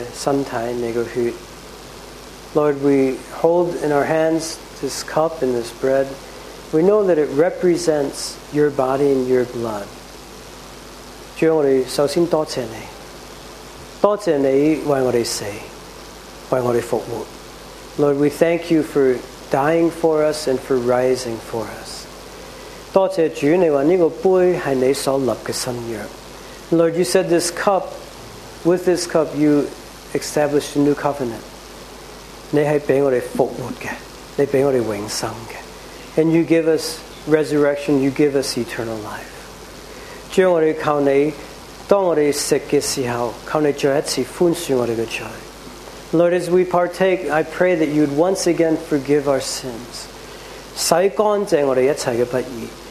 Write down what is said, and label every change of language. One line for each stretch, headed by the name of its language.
Chinese: 我们一起低头祈祷。天父，我们手揸住这个饼和这个杯，我们知道是代表象征你的身体、你的血。Lord,
English: we hold in our hands this cup and this bread. We know that it represents your body and your blood.
Chinese: 主，我们首先多谢你。多谢你为我们死，为我们复活。
English: Lord, we thank you for dying for us and for rising for us.
Chinese: 多谢主，你说这个杯是你所立的新约。
English: Lord, you said this cup, with this cup you established a new covenant.
Chinese: 你是给我们复活的，你给我们永生的。
English: And you give us resurrection, you give us eternal life.
Chinese: 主，我们靠你。当我们吃的时候，求你再一次宽恕我们的罪。
English: Lord, as we partake, I pray that you'd once again forgive our sins.
Chinese: 洗干净我们一切的不义，